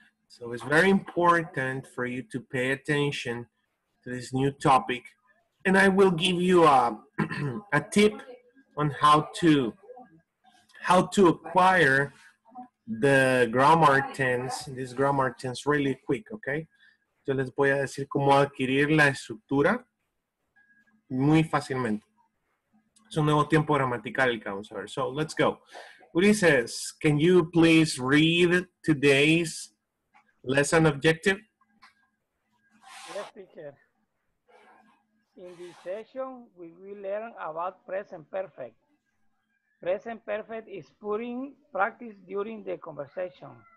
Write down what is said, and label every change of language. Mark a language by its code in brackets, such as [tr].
[en] So it's very important for you to pay attention to this new topic. And I will give you a tip on how to acquire the grammar tense, this grammar tense, really quick, okay? [es] Yo les voy a decir cómo adquirir la estructura muy fácilmente. Es un nuevo tiempo gramatical el que vamos a ver. [en] So let's go. Ulises, can you please read today's lesson objective? Yes, teacher. In this session, we will learn about present perfect. Present perfect is put in practice during the conversation.